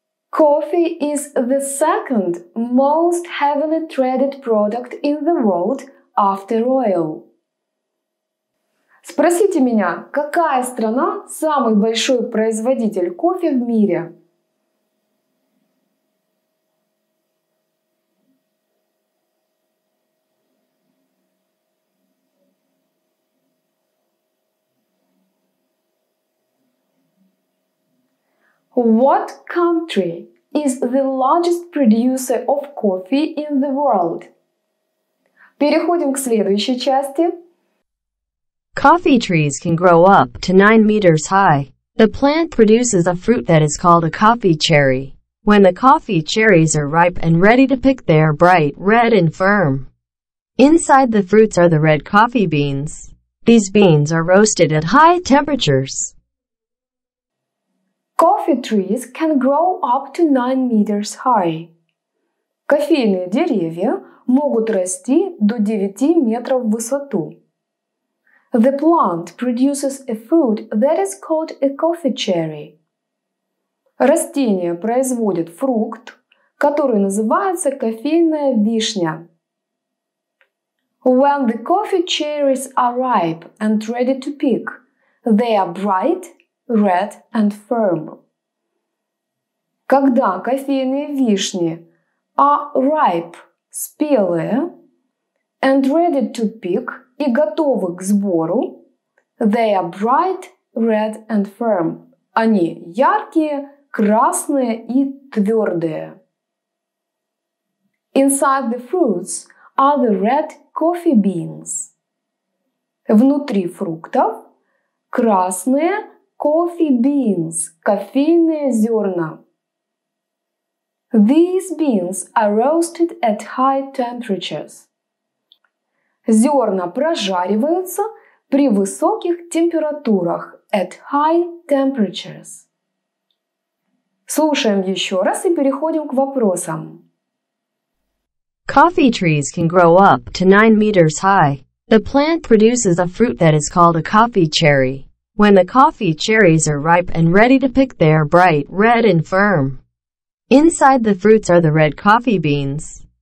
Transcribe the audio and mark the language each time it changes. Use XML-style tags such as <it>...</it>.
<en>Coffee is the second most heavily traded product in the world after oil.</en> <ru>Спросите меня, какая страна самый большой производитель кофе в мире?</ru> <en>What country is the largest producer of coffee in the world?</en> <ru>Переходим к следующей части.</ru> <en>Coffee trees can grow up to 9 meters high. The plant produces a fruit that is called a coffee cherry. When the coffee cherries are ripe and ready to pick, they are bright, red and firm. Inside the fruits are the red coffee beans. These beans are roasted at high temperatures. Coffee trees can grow up to 9 meters high.</en> <ru>Кофейные деревья могут расти до 9 метров в высоту.</ru> <en>The plant produces a fruit that is called a coffee cherry.</en> <ru>Растение производит фрукт, который называется кофейная вишня.</ru> <en>When the coffee cherries are ripe and ready to pick, they are bright, red and firm.</en> <ru>Когда кофейные вишни</ru> <en>are ripe,</en> <ru>спелые,</ru> <en>and ready to pick,</en> <ru>и готовы к сбору,</ru> <en>they are bright, red and firm.</en> <ru>Они яркие, красные и твердые.</ru> <en>Inside the fruits are the red coffee beans.</en> <ru>Внутри фруктов красные</ru> <en>coffee beans,</en> <ru>кофейные зерна.</ru> <en>These beans are roasted at high temperatures.</en> <ru>Зерна прожариваются при высоких температурах,</ru> <en>at high temperatures.</en> <ru>Слушаем еще раз и переходим к вопросам.</ru> <en>Coffee trees can grow up to 9 meters high. The plant produces a fruit that is called a coffee cherry. When the coffee cherries are ripe and ready to pick, they are bright, red and firm. Inside the fruits are the red coffee beans.</en>